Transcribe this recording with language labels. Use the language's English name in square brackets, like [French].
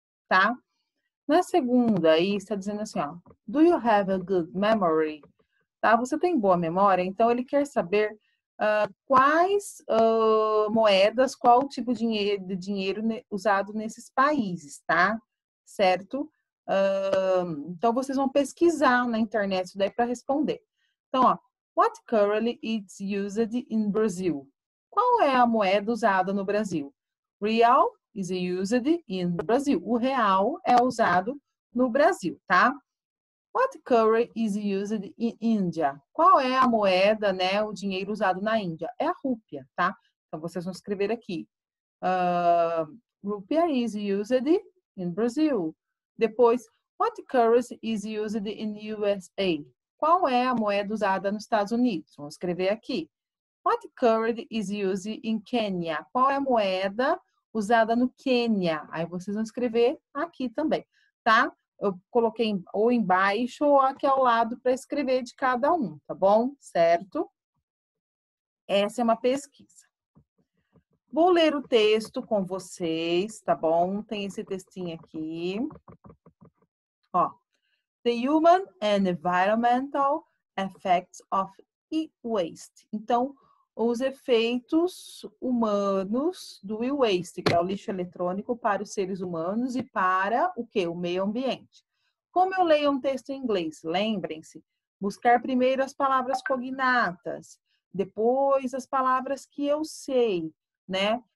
[Portuguese] Tá? Na segunda, aí está dizendo assim: ó, [English] Do you have a good memory? [Portuguese] Tá? Você tem boa memória? Então, ele quer saber quais moedas, qual tipo de dinheiro usado nesses países, tá? Certo? Então, vocês vão pesquisar na internet isso daí para responder. Então, ó, [English] what currency is used in Brazil? [Portuguese] Qual é a moeda usada no Brasil? [English] Real is used in Brazil. [Portuguese] O real é usado no Brasil, tá? [English] What currency is used in India? [Portuguese] Qual é a moeda, né? O dinheiro usado na Índia? É a rúpia, tá? Então vocês vão escrever aqui. [English] Rupia is used in Brazil. [Portuguese] Depois, [English] what currency is used in USA? [Portuguese] Qual é a moeda usada nos Estados Unidos? Vamos escrever aqui. [English] What currency is used in Kenya? [Portuguese] Qual é a moeda usada no Quênia? Aí vocês vão escrever aqui também, tá? Eu coloquei ou embaixo ou aqui ao lado para escrever de cada um, tá bom? Certo? Essa é uma pesquisa. Vou ler o texto com vocês, tá bom? Tem esse textinho aqui. Ó. [English] The human and environmental effects of e-waste. [Portuguese] Então, os efeitos humanos do e-waste, que é o lixo eletrônico para os seres humanos e para o quê? O meio ambiente. Como eu leio um texto em inglês? Lembrem-se, buscar primeiro as palavras cognatas, depois as palavras que eu sei, né?